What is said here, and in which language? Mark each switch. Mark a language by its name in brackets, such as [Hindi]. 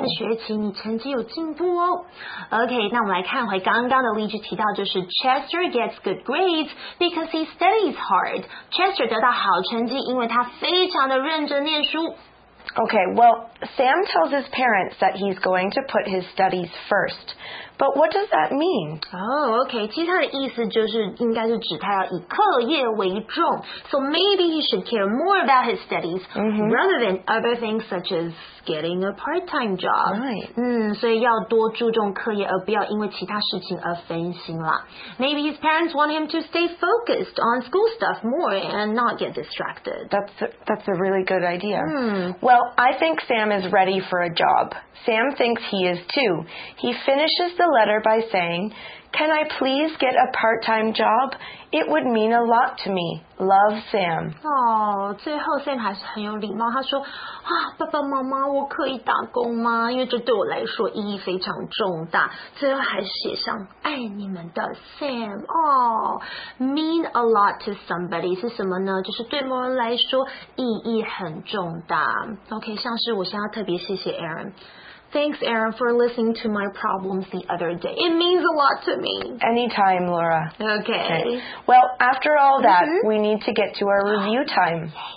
[Chinese] 这学期你成绩有进步哦。 OK， 那我们来看。刚刚的例句提到就是 [English] Chester gets good grades because he studies hard. [Chinese] Chester 得到好成绩因为他非常的认真念书。 [English] Okay, well, Sam tells his parents that he's going to put his studies first. But what does that mean? Oh, okay, [Chinese] 其实他的意思就是应该是指他要以课业为重。 [English] So maybe he should care more about his studies、 mm-hmm. rather than other things such asGetting a part-time job. Right. [Chinese] 所以要多注重课业，而不要因为其他事情而分心了。 [English] Maybe his parents want him to stay focused on school stuff more and not get distracted. That's a really good idea. Hmm. Well, I think Sam is ready for a job. Sam thinks he is too. He finishes the letter by saying, "Can I please get a part-time job? It would mean a lot to me." Love, Sam. [Chinese] Oh, 最后 Sam 还是很有礼貌，他说啊，爸爸妈妈，我可以打工吗？因为这对我来说意义非常重大。最后还是写上爱你们的 Sam. [English] Oh, mean a lot to somebody [Chinese] 是什么呢？就是对某人来说意义很重大。 OK, 像是我现在特别谢谢 Aaron. [English] Thanks, Aaron, for listening to my problems the other day. It means a lot to me. Anytime, Laura. Okay. Well, after all that,、mm-hmm. we need to get to our review time.